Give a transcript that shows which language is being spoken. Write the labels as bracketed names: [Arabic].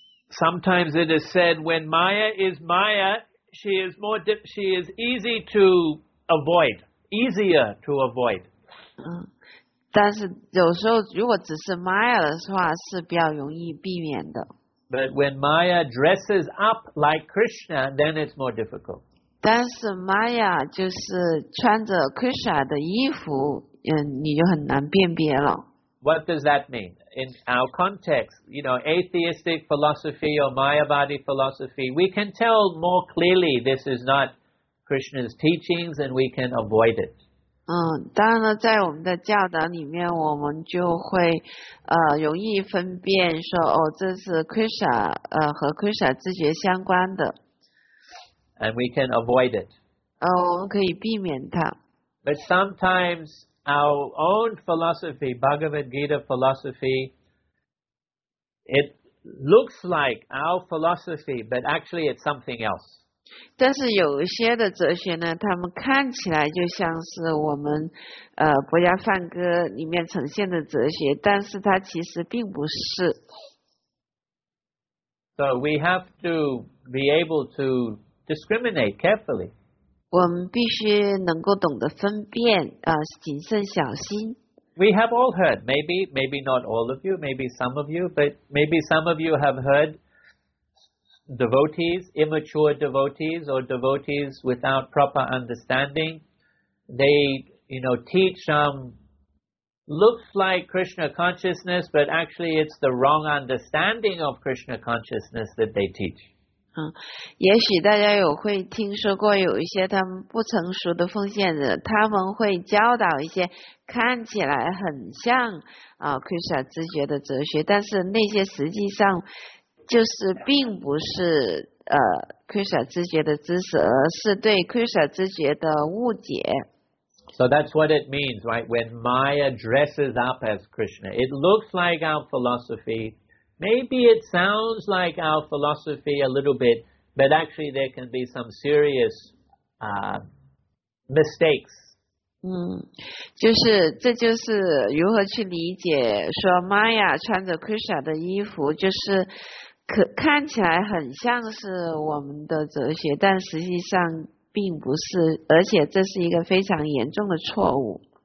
[English] Sometimes it is said when Maya is Maya, she is easy to avoid, easier to avoid. [Chinese] 但是有时候如果只是 Maya 的话，是比较容易避免的。 [English] But when Maya dresses up like Krishna, then it's more difficult. [Chinese] 但是 Maya 就是穿着 Krishna 的衣服，你就很难辨别了。 [English] What does that mean? In our context, you know, atheistic philosophy or Mayavadi philosophy, we can tell more clearly this is not Krishna's teachings and we can avoid it. [Chinese] 当然了，在我们的教导里面，我们就会容易分辨说，哦，这是 Krishna 和 Krishna 自觉相关的。 [English] And we can avoid it. [Chinese] 我们可以避免它。 [English] But sometimes our own philosophy, Bhagavad Gita philosophy, it looks like our philosophy, but actually it's something else. [Chinese] 但是有一些的哲学呢，他们看起来就像是我们博家梵歌里面呈现的哲学，但是它其实并不是。 [English] So we have to be able to discriminate carefully. [Chinese] 我们必须能够懂得分辨谨慎小心。 [English] We have all heard, maybe not all of you, maybe some of you, but maybe some of you have heard devotees, immature devotees or devotees without proper understanding. They, you know, teach some looks like Krishna consciousness, but actually it's the wrong understanding of Krishna consciousness that they teach. [Chinese] 也许大家有会听说过有一些他们不成熟的奉献者，他们会教导一些看起来很像Krishna 自觉的哲学，但是那些实际上就是并不是Krishna 自觉的知识，而是对 Krishna 自觉的误解。 [English] So that's what it means, right? When Maya dresses up as Krishna, it looks like our philosophy. Maybe it sounds like our philosophy a little bit, but actually there can be some serious mistakes. [Chinese] 就是这就是如何去理解说 Maya 穿着 Krishna 的衣服，就是看起来很像是我们的哲学，但实际上并不是，而且这是一个非常严重的错误。